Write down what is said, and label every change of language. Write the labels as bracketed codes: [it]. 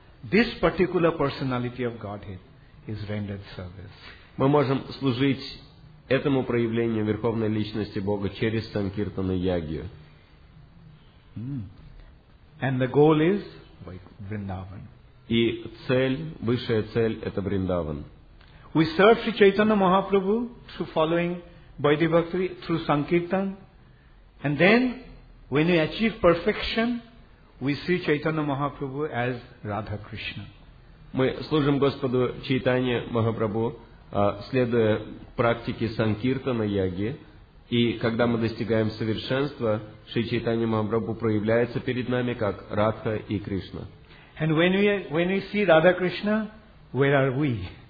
[en] this particular personality of Godhead is rendered service. [ru] Мы можем служить этому проявлению Верховной Личности Бога через Санкиртана Ягью. [en] And the goal is Vrindavan. [ru] И цель, высшая цель, это Вриндаван. [en] We serve Sri Chaitanya Mahaprabhu through following Vaidhi Bhakti, through Sankirtan. And then, when we achieve perfection, we see Chaitanya Mahaprabhu as Radha Krishna. [ru] Мы служим Господу Чайтанья Махапрабху, следуя практике Санкиртана Яги. И когда мы достигаем совершенства, Шри Чайтанья Махапрабху проявляется перед нами как Радха и Кришна. [en] And when we see Radha Krishna, where are we?